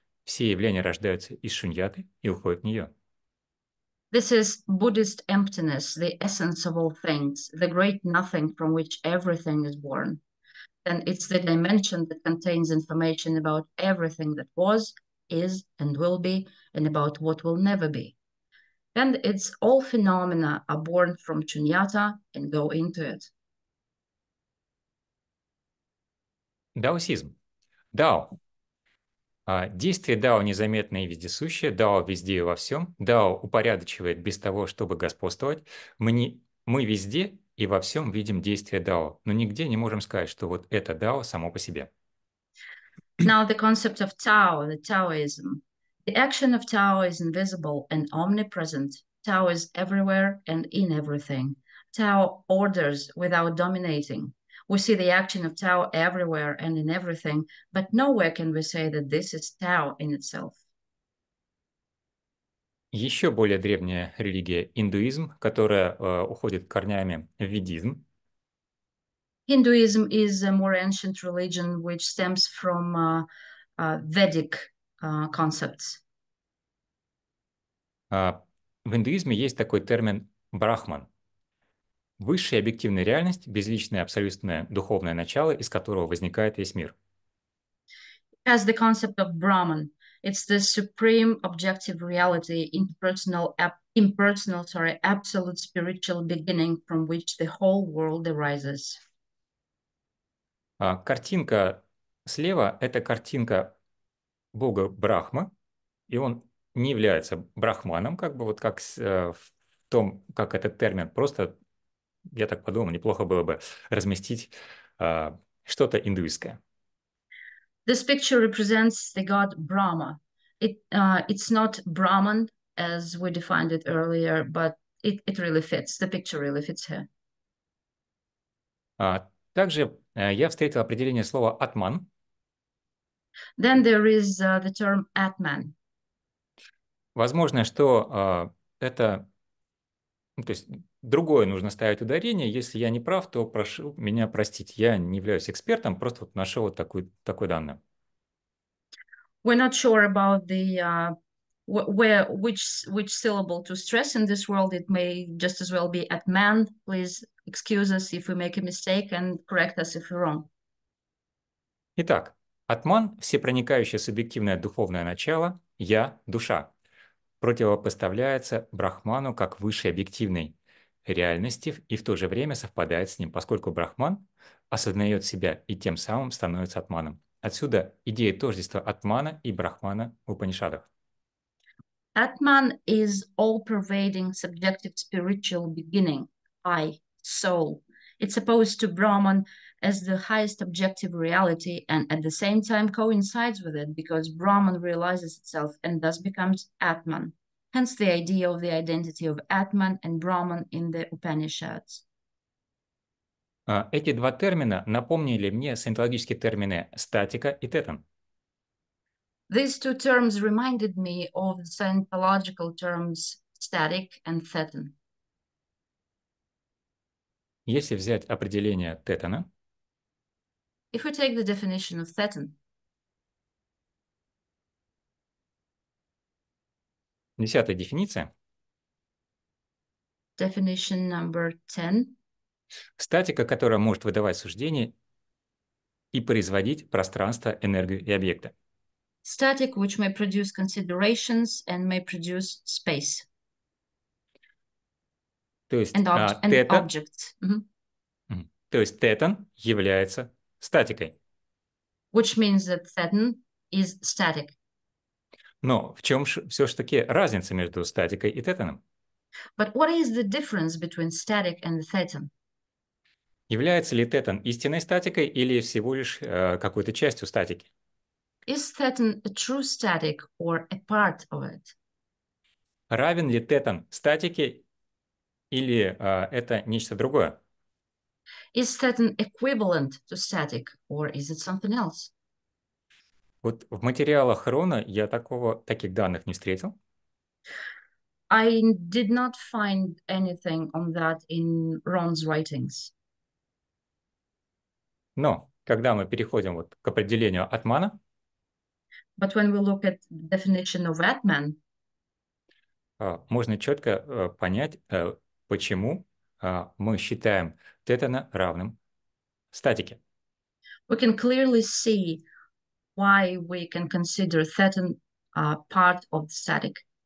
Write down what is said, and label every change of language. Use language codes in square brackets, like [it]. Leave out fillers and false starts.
[ru] Все явления рождаются из шуньяты и уходят в нее. [en] This is Buddhist emptiness, the essence of all things, the great nothing from which everything is born. And it's the dimension that contains information about everything that was, is, and will be, and about what will never be. And it's all phenomena are born from shunyata and go into it. [ru] Даосизм. Дао. Действие Дао незаметное и вездесущее, Дао везде и во всем, Дао упорядочивает без того, чтобы господствовать. Мы везде и во всем видим действие Дао, но нигде не можем сказать, что вот это Дао само по себе. [en] Now the concept of Tao, the Taoism. The action of Tao is invisible and omnipresent. Tao is everywhere and in everything. Tao orders without dominating. We see the action of Tao everywhere and in everything, but nowhere can we say that this is Tao in itself. [ru] Еще более древняя религия – индуизм, которая уходит корнями в ведизм. [en] Hinduism is a more ancient religion, which stems from Vedic concepts. [ru] В индуизме есть такой термин «брахман» – высшая объективная реальность, безличное абсолютное духовное начало, из которого возникает весь мир. [en] As the concept of Brahman, it's the supreme objective reality, absolute spiritual beginning from which the whole world arises. [ru] Картинка слева – это картинка бога Брахма, и он не является брахманом, как бы вот как в том, как этот термин. Просто, я так подумал, неплохо было бы разместить что-то индуистское. [en] This picture represents the god Brahma. It's not Brahman, as we defined it earlier, but it really fits. The picture really fits here. [ru] Также я встретил определение слова «атман». [en] Then there is the term Atman. [ru] Возможно, что это... То есть другое нужно ставить ударение. Если я не прав, то прошу меня простить. Я не являюсь экспертом, просто вот нашел вот такую данную. [en] We're not sure about the where which syllable to stress in this world. It may just as well be at man. Please excuse us if we make a mistake and correct us if we're wrong. [ru] Итак, атман – всепроникающее субъективное духовное начало, я – душа, противопоставляется брахману как высшей объективной реальности и в то же время совпадает с ним, поскольку брахман осознает себя и тем самым становится атманом. Отсюда идея тождества Атмана и Брахмана в Упанишадах. [en] Atman is all-pervading subjective spiritual beginning, I, soul. It's opposed to Brahman as the highest objective reality and at the same time coincides with it because Brahman realizes itself and thus becomes Atman. Hence the idea of the identity of Atman and Brahman in the Upanishads. [ru] Эти два термина напомнили мне саентологические термины статика и тетан. [en] These two terms reminded me of the Scientological terms static and theton. [ru] Если взять определение тетана, [en] if we take the definition of theton, [ru] десятая дефиниция, [en] definition number 10, [ru] статика, которая может выдавать суждения и производить пространство, энергию и объекты. [en] Static, which may produce considerations and may produce space. [ru] То есть, [en] and, [ru] об, [en] and [ru] тета, [en] objects. Mm-hmm. [ru] То есть тетан является статикой. [en] Which means that theton is static. [ru] Но в чем все-таки разница между статикой и тетаном? [en] But what is the difference between static and theton? [ru] Является ли тетан истинной статикой или всего лишь какой-то частью статики? [en] Is theton a true static or a part of it? [ru] равен ли тетон статике или это нечто другое? [en] Is tetan equivalent to static, or is it something else? [ru] Вот в материалах Рона я таких данных не встретил. [en] I did not find anything on that in Ron's writings. [ru] Но когда мы переходим к определению атмана, [en] but when we look at the definition of Atman, [ru] можно четко понять, почему мы считаем тетона равным статике. [en] We can clearly see why we can consider theton part of the static.